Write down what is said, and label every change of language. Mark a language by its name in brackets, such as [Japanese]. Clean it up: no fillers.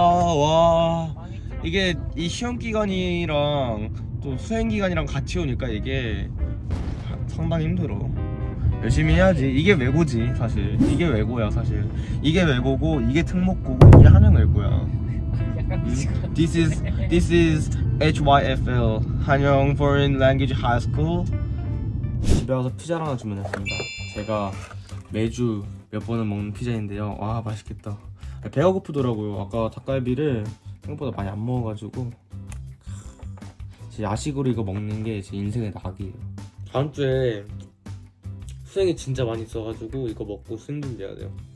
[Korean] 와 이게 이 시험 기간이랑 또 수행 기간이랑 같이 오니까 이게 상당히 힘들어. 열심히 해야지. 이게 외고지 사실. 이게 외고야 사실. 이게 외고고 이게 특목고고 이게 한영외고야. [English] This is HYFL 한영 Foreign Language High School. [Korean] 집에 와서 피자를 하나 주문했습니다. 제가 매주 몇 번은 먹는 피자인데요. 와 맛있겠다. 배가 고프더라고요. 아까 닭갈비를 생각보다 많이 안 먹어가지고 야식으로 이거 먹는 게 제 인생의 낙이에요. 다음 주에 수행이 진짜 많이 있어가지고 이거 먹고 수행 준비해야 돼요.